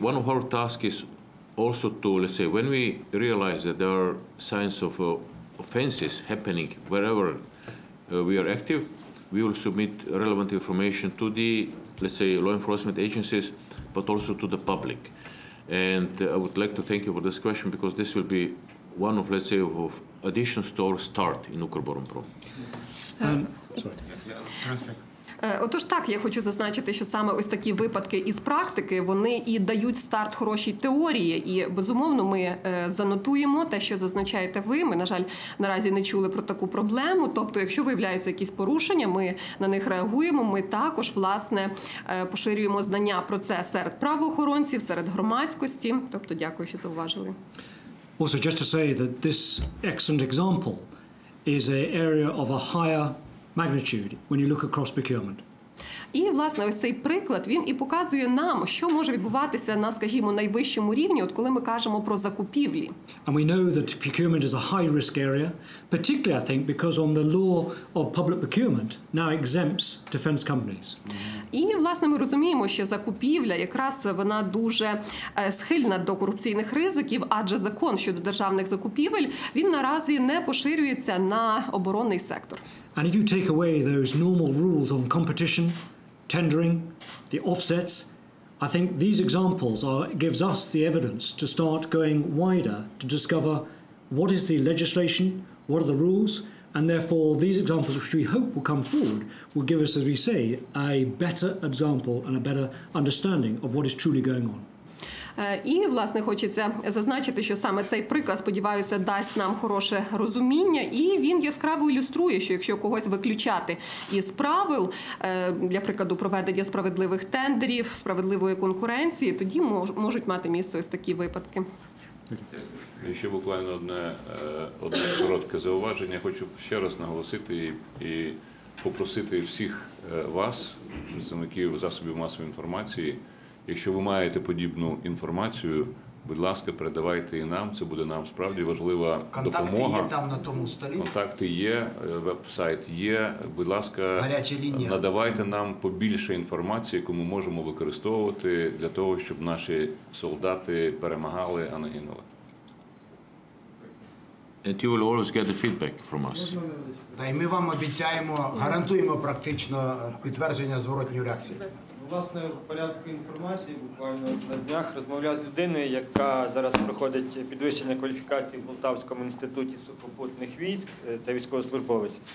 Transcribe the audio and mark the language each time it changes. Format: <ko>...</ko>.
<en>One of our tasks is also to, let's say, when we realize that there are signs of offenses happening wherever we are active, we will submit relevant information to the, let's say, law enforcement agencies, but also to the public. And I would like to thank you for this question, because this will be one of, let's say, of additional store start in Ukroboronprom.</en> <uk>Отож так, я хочу зазначити, що саме ось такі випадки із практики, вони і дають старт хорошій теорії. І, безумовно, ми занотуємо те, що зазначаєте ви. Ми, на жаль, наразі не чули про таку проблему. Тобто, якщо виявляються якісь порушення, ми на них реагуємо. Ми також, власне, поширюємо знання про це серед правоохоронців, серед громадськості. Тобто, дякую, що зауважили.</uk> <en>Also, just to say that this excellent example is an area of a higher magnitude when you look across procurement.</en> <uk>І, власне, ось цей приклад, він і показує нам, що може відбуватися на, скажімо, найвищому рівні, от коли ми кажемо про закупівлі.</uk> <en>And we know that procurement is a high-risk area, particularly, I think, because on the law of public procurement now exempts defense companies.</en> <uk>І, власне, ми розуміємо, що закупівля якраз вона дуже схильна до корупційних ризиків, адже закон щодо державних закупівель, він наразі не поширюється на оборонний сектор.</uk> <en>And if you take away those normal rules on competition, tendering, the offsets, I think these examples gives us the evidence to start going wider to discover what is the legislation, what are the rules, and therefore these examples, which we hope will come forward, will give us, as we say, a better example and a better understanding of what is truly going on.</en> <uk>І, власне, хочеться зазначити, що саме цей приклад, сподіваюся, дасть нам хороше розуміння. І він яскраво ілюструє, що якщо когось виключати із правил, для прикладу, проведення справедливих тендерів, справедливої конкуренції, тоді можуть мати місце ось такі випадки. І ще буквально одне коротке зауваження. Хочу ще раз наголосити і попросити всіх вас, представників засобів масової інформації, якщо ви маєте подібну інформацію, будь ласка, передавайте і нам, це буде нам справді важлива контакти допомога. Контакти є там на тому столі? Контакти є, веб-сайт є, будь ласка, гаряча лінія. Надавайте нам побільше інформації, яку ми можемо використовувати для того, щоб наші солдати перемагали, а не гинули.</uk> <en>And you will always get the feedback from us.</en> <uk>Та й ми вам обіцяємо, гарантуємо практично підтвердження зворотньої реакції. Власне, в порядку інформації буквально на днях розмовляв з людиною, яка зараз проходить підвищення кваліфікації в Полтавському інституті сухопутних військ та військовослужбовець.</uk>